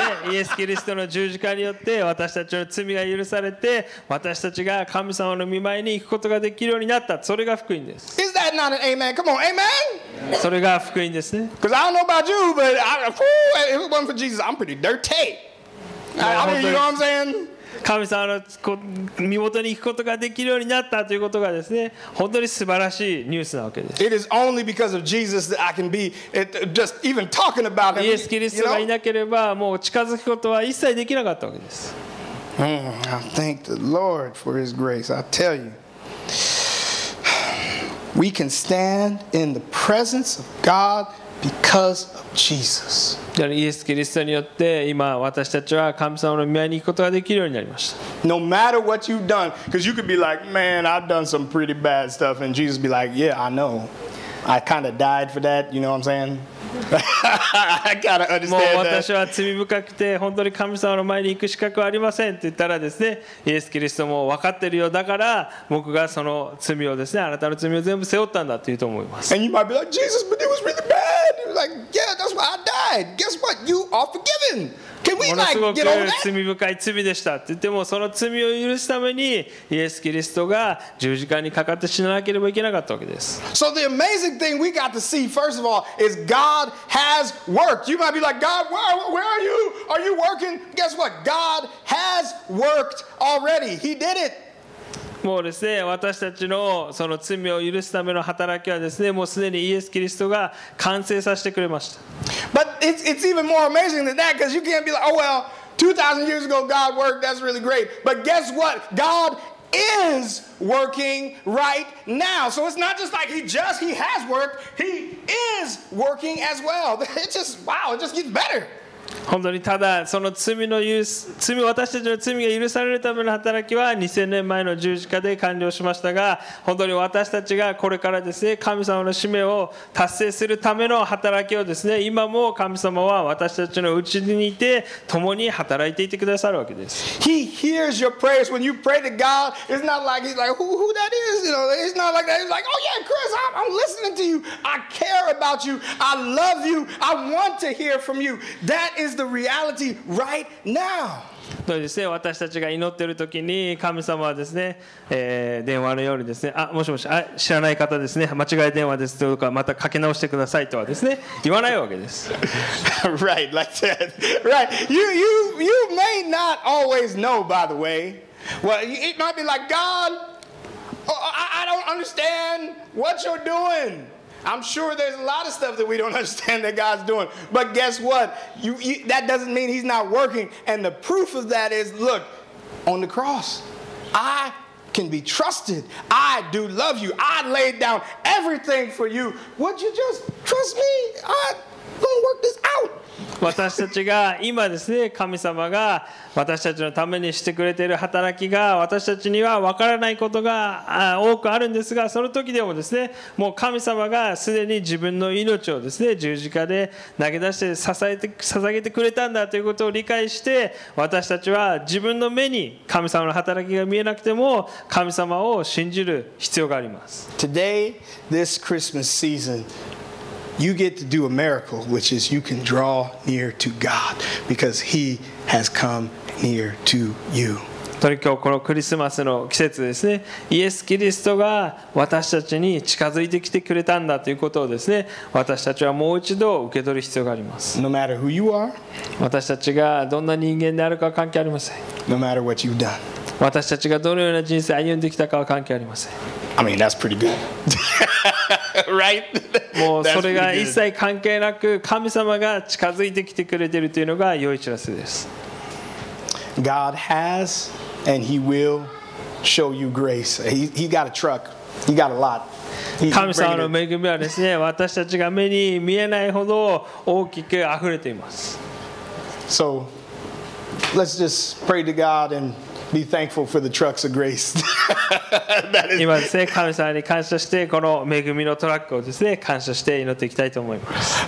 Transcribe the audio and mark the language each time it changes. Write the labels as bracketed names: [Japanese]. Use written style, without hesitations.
[Japanese] イエス・キリストの十字架によって私たちの罪が許されて私たちが神様の御前に行くことができるようになった。それが福音です。 [English] Is that not an amen? Come on, amen? [Japanese] それが福音ですね。 [English] Because I don't know about you, but if it wasn't for Jesus, I'm pretty dirty. I mean, you know what I'm saying? [Japanese] 神様の身元に行くことができるようになったということがですね、本当に素晴らしいニュースなわけです。 [English] It is only because of Jesus that I can be just even talking about him. [Japanese] イエス・キリストがいなければもう近づくことは一切できなかったわけです。 [English] I thank the Lord for his grace. I tell you, we can stand in the presence of God. Because of Jesus. [Japanese] イエス・キリストによって今私たちは神様の御前に行くことができるようになりました。 [English] No matter what you've done, because you could be like, man, I've done some pretty bad stuff, and Jesus be like, yeah, I know. I kind of died for that, you know what I'm saying? I kind of understand that. [Japanese] 私は罪深くて本当に神様の前に行く資格はありませんって言ったらですね、イエス・キリストも分かってるよ、だから僕がその罪をですね、あなたの罪を全部背負ったんだって言うと思います。 [English] And you might be like, Jesus, but it was really bad. Like, yeah, that's why I died. Guess what? You are forgiven. Can we like get over that? [Japanese] 罪深い罪でしたって言っても、その罪を許すためにイエス・キリストが十字架にかかって死ななければいけなかったわけです。 [English] So the amazing thing we got to see, first of all, is God has worked. You might be like, God, where are you? Are you working? Guess what? God has worked already. He did it. [Japanese] もうですね、私たちのその罪を許すための働きはですね、もうすでにイエス・キリストが完成させてくれました。 [English] But it's even more amazing than that, because you can't be like, oh well, 2,000 years ago God worked, that's really great. But guess what? God is working right now. So it's not just like he has worked, he is working as well. It just, wow, it just gets better. [Japanese] 本当にただその罪の許す罪私たちの罪が許されるための働きは2000年前の十字架で完了しましたが、本当に私たちがこれからですね、神様の使命を達成するための働きをですね、今も神様は私たちのうちにいて共に働いていてくださるわけです。 [English] He hears your prayers when you pray to God. It's not like he's like who that is, you know. It's not like that. He's like, oh yeah, Chris, I'm listening to you. I care about you. I love you. I want to hear from you. That is the reality right now. [Japanese] そうですね、私たちが祈っている時に神様はですね、電話のようにですね、あ、もしもし、あ、知らない方ですね、間違い電話ですとか、またかけ直してくださいとはですね、言わないわけです。 [English] Right, like that. Right. You may not always know, by the way. Well, it might be like, God, I don't understand what you're doing. I'm sure there's a lot of stuff that we don't understand that God's doing. But guess what? You, that doesn't mean he's not working. And the proof of that is, look, on the cross, I can be trusted. I do love you. I laid down everything for you. Would you just trust me? I'm going to work this out. [Japanese] 私たちが今ですね、神様が私たちのためにしてくれている働きが私たちには分からないことが多くあるんですが、その時でもですね、もう神様がすでに自分の命をですね、十字架で投げ出して捧げてくれたんだということを理解して、私たちは自分の目に神様の働きが見えなくても神様を信じる必要があります。 [English] Today, this Christmas seasonYou get to do a miracle, which is you can draw near to God because He has come near to you. [Japanese] とにかくこのクリスマスの季節ですね、イエス・キリストが私たちに近づいてきてくれたんだということをですね、私たちはもう一度受け取る必要があります。 [English] No matter who you are, [Japanese] 私たちがどんな人間であるかは関係ありません。 [English] No matter what you've done, [Japanese] 私たちがどのような人生を歩んできたかは関係ありません。 [English] I mean, that's pretty good. Right? [Japanese] もうそれが一切関係なく神様が近づいてきてくれているというのが良い知らせです。 [English] God has and he will show you grace. He got a truck. He got a lot. [Japanese] 神様の恵みはですね、私たちが目に見えないほど大きく溢れています。 [English] So let's just pray to God andBe thankful for the trucks of grace. That is. [Japanese] 今ですね、神様に感謝してこの恵みのトラックをですね、感謝して祈っていきたいと思います。